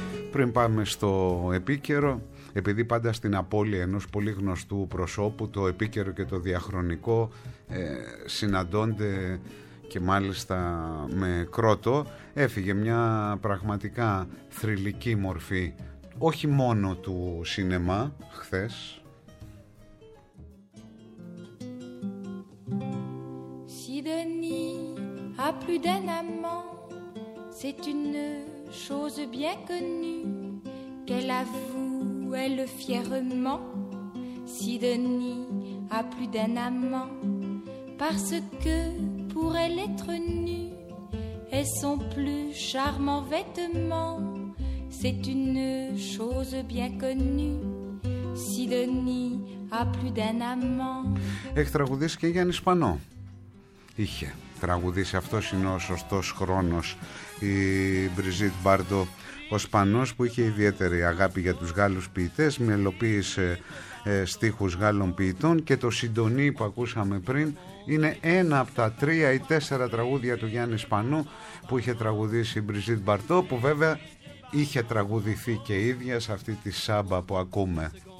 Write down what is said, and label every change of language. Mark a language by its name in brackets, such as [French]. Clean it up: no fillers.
[Greek] Πριν πάμε στο επίκαιρο, επειδή πάντα στην απώλεια ενός πολύ γνωστού προσώπου το επίκαιρο και το διαχρονικό συναντώνται και μάλιστα με κρότο, έφυγε μια πραγματικά θρυλική μορφή όχι μόνο του σινεμά χθες. [French] Si Denis a plus d'un amant, c'est une chose bien connue qu'elle avoue elle fièrement. Si Denis a plus d'un amant, parce que pour elle être nue est son plus charmant vêtement. C'est une chose bien connue. Si Denis a plus d'un amant. [Greek] Έχει τραγουδήσει και Γιάννης Πανό. Είχε τραγουδήσει, αυτός είναι ο σωστός χρόνος, η Μπριζίτ Μπάρντο. Ο Σπανός, που είχε ιδιαίτερη αγάπη για τους Γάλλους ποιητές, μελοποίησε στίχους Γάλλων ποιητών, και το Συντονί που ακούσαμε πριν είναι ένα από τα τρία ή τέσσερα τραγούδια του Γιάννη Σπανού που είχε τραγουδήσει η Μπριζίτ Μπαρτό, που βέβαια είχε τραγουδηθεί και ίδια σε αυτή τη σάμπα που ακούμε.